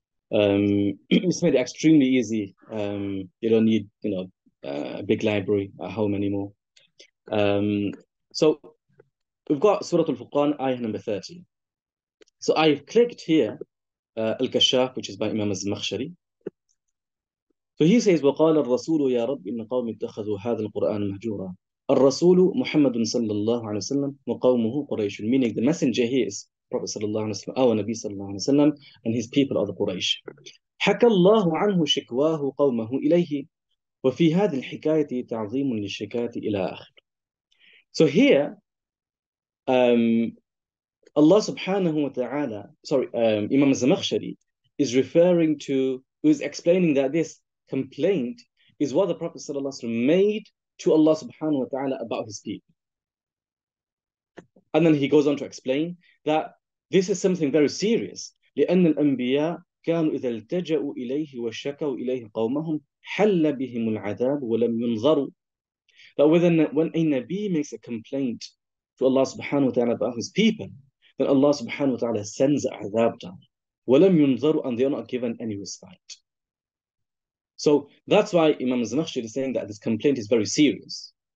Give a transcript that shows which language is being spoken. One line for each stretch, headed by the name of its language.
English: It's made it extremely easy. You don't need a big library at home anymore. So we've got Surah Al-Furqan, ayah number 30. So I've clicked here, Al-Kashaf, which is by Imam Az-Zamakhshari.
Arabic: So he says, وَقَالَ الرَّسُولُ يَا رَبِّ إِنَّ قَوْمِ اتَّخَذُوا هَذَا الْقُرْآنَ مَهْجُورًا الرسول محمد صلى الله عليه وسلم وقومه قريش
English: meaning the messenger here is Prophet صلى الله عليه وسلم our Nabi صلى الله عليه وسلم and his people are the Quraysh
Arabic: حكى الله عنه شكواه قومه إليه وفي هذه الحكاية تعظيم للشكاة إلى آخر
English: so here Allah سبحانه وتعالى sorry Imam Zamakhshari is referring to is explaining that this complaint is what the Prophet صلى الله عليه وسلم made to Allah subhanahu wa ta'ala about his people. And then he goes on to explain that this is something very serious.
Arabic: لأن الأنبياء كانوا إذا التجأوا إليه وشكوا إليه قومهم حل بهم العذاب ولم ينظروا.
English: That when a Nabi makes a complaint to Allah subhanahu wa ta'ala about his people, then Allah subhanahu wa ta'ala sends عذاب down.
Arabic: ولم ينظروا
English: and they are not given any respite. So that's why Imam Zamakhshari is saying that this complaint is very serious.